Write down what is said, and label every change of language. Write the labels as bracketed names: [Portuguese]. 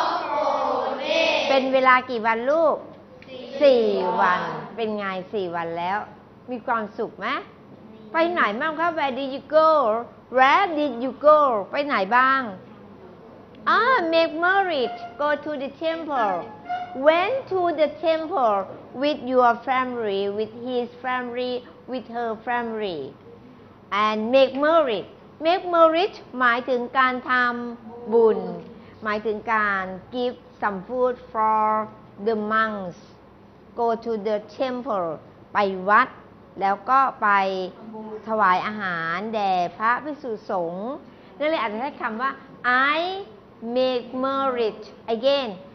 [English] Four days. [Thai] เป็นเวลากี่วันลูก 4 วันเป็นไง4วันแล้วมีความสุขไหมไปไหนบ้างคะ [English] Where did you go? Where did you go? [Thai] ไปไหนบ้าง [English] make merit. Go to the temple. Went to the temple with your family, with his family, with her family. And make merit. [Thai] Make merit หมายถึงการทำบุญหมายถึงการ [English] give some food for the monks go to the temple [Thai] ไปวัดแล้วก็ไปถวายอาหารแด่พระภิกษุสงฆ์นั่นเลยอาจจะใช้คำว่า [English] I make merit again